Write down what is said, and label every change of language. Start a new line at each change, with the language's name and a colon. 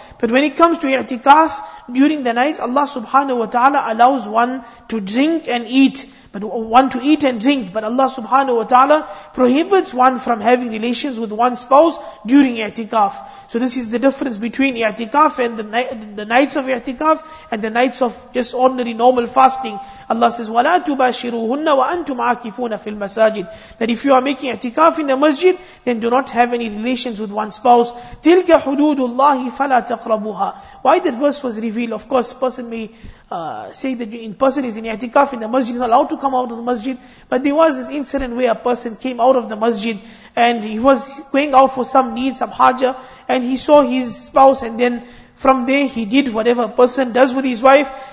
English: But when it comes to i'tikaf, during the nights, Allah subhanahu wa ta'ala allows one to drink and eat. but one to eat and drink. But Allah subhanahu wa ta'ala prohibits one from having relations with one's spouse during i'tikaf. So this is the difference between i'tikaf and the nights of i'tikaf and the nights of just ordinary normal fasting. Allah says,
Arabic: وَلَا تُبَاشِرُوهُنَّ وَأَنْتُمْ عَاكِفُونَ فِي الْمَسَاجِدِ.
English: That if you are making i'tikaf in the masjid, then do not have any relations with one's spouse.
Arabic: تِلْكَ حُدُودُ اللَّهِ فَلَا تَقْرَبُوهَا.
English: Why that verse was revealed? Of course, person may say that in person is in i'tikaf in the masjid, not allowed to come out of the masjid. But there was this incident where a person came out of the masjid and he was going out for some need, some haja, and he saw his spouse, and then from there he did whatever a person does with his wife.